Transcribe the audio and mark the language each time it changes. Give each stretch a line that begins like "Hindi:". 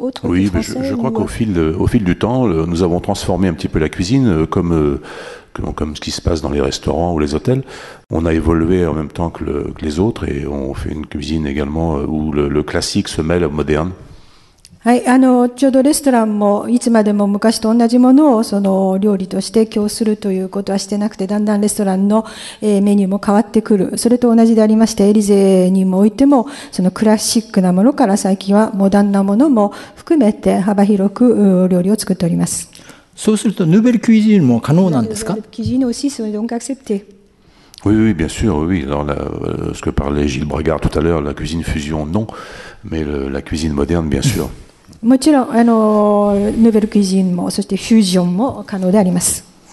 French: Oui, mais je crois qu'au fil du temps, nous avons transformé un petit peu la cuisine, comme ce qui se passe dans les restaurants ou les hôtels. On a évolué en même temps que les autres et on fait une cuisine également où le classique se mêle au moderne.
Japanese: はい、ちょうどレストランもいつまでも昔と同じものをその料理として供するということはしてなくて、だんだんレストランの、メニューも変わってくる。それと同じでありまして、エリゼにもおいてもそのクラシックなものから最近はモダンなものも含めて幅広く料理を作っております。そうするとヌーベルキュージンも可能なんですか？ヌーベルキュージンもしそれでオンクアクセプティ
French: Oui, oui, bien sûr, oui. Alors, ce que parlait Gilles Bragard tout à l'heure, la cuisine fusion, non, mais la cuisine moderne, bien sûr.
Japanese: もちろん、ヌーベルキュージンも、そしてフュージョンも可能であります。